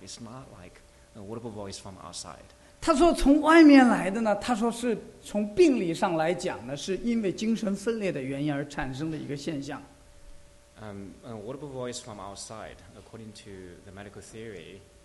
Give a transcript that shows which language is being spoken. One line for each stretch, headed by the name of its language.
English: It's not like an audible voice from outside.
Chinese: 他说从外面来的呢，他说是从病理上来讲呢，是因为精神分裂的原因而产生的一个现象。
English: An audible voice from outside, according to the medical theory,